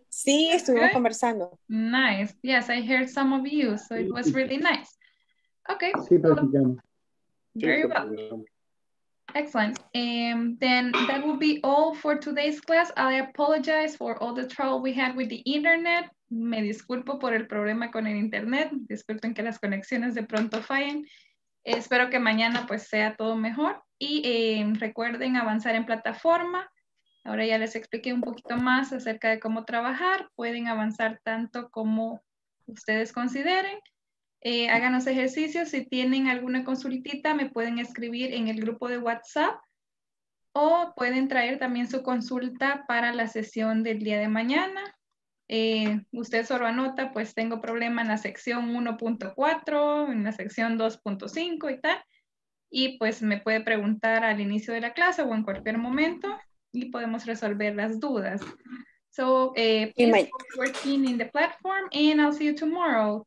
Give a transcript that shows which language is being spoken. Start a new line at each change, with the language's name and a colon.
Spanish: Sí, estuvimos okay. Conversando.
English: Nice. Yes, I heard some of you, so it was really nice. Okay.
Spanish: Sí, practicamos.
English: Very well. Excellent. Then that will be all for today's class. I apologize for all the trouble we had with the internet.
Spanish: Me disculpo por el problema con el internet. Disculpen que las conexiones de pronto fallen. Espero que mañana pues sea todo mejor. Y recuerden avanzar en plataforma. Ahora ya les expliqué un poquito más acerca de cómo trabajar. Pueden avanzar tanto como ustedes consideren. Hagan los ejercicios. Si tienen alguna consultita, me pueden escribir en el grupo de WhatsApp o pueden traer también su consulta para la sesión del día de mañana. Usted solo anota, pues tengo problema en la sección 1.4, en la sección 2.5 y tal. Y pues me puede preguntar al inicio de la clase o en cualquier momento y podemos resolver las dudas.
English: So, please keep working in the platform, and I'll see you tomorrow.